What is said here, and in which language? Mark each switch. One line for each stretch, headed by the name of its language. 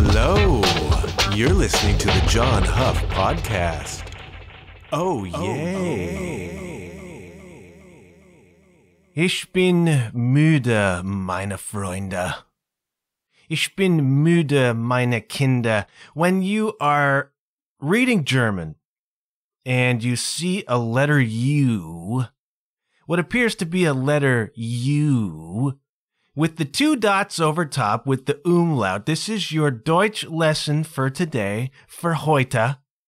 English: You're listening to the John Huff Podcast. Oh, yay.
German: Ich bin müde, meine Freunde. Ich bin müde, meine Kinder.
English: When you are reading German and you see a letter U, what appears to be a letter U, with the two dots over top, with the umlaut, this is your Deutsch lesson for today, for heute.